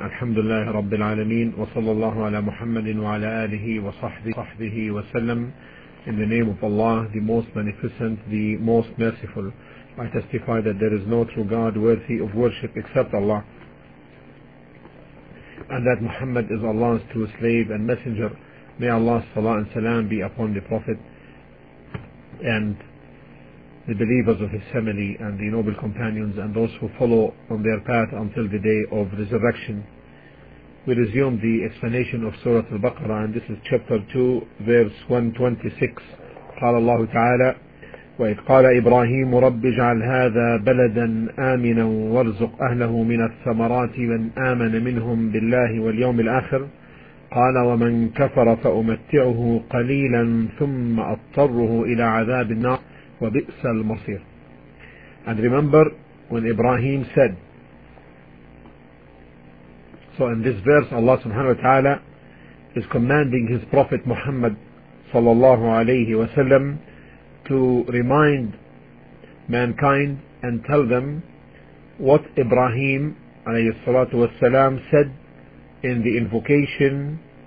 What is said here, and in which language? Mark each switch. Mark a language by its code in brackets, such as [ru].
[ar] الحمد لله رب العالمين، وصلى الله على محمد وعلى آله وصحبه وسلم. [en] In the name of Allah, the most beneficent, the most merciful, I testify that there is no true God worthy of worship except Allah, and that Muhammad is Allah's true slave and messenger. May Allah's salah and salam be upon the Prophet and the believers of his family and the noble companions and those who follow on their path until the day of resurrection. We resume the explanation of Surah Al-Baqarah, and this is chapter 2, verse 126. [ar] قال الله تعالى وَإِذْ قَالَ إِبْرَاهِيمُ رَبِّ اجْعَلْ هَذَا بَلَدًا آمِنًا وَارْزُقْ أَهْلَهُ مِنَ الثَّمَرَاتِ مَنْ آمَنَ مِنْهُمْ بِاللَّهِ وَالْيَوْمِ الْآخِرِ قال ومن كفر فأمتعه قليلا ثم أضطره إلى عذاب النار وبئس المصير. [en] And remember when Ibrahim said, so in this verse Allah subhanahu wa ta'ala is commanding his prophet Muhammad sallallahu alayhi wa sallam to remind mankind and tell them what Ibrahim alayhi salatu wa salam said in the invocation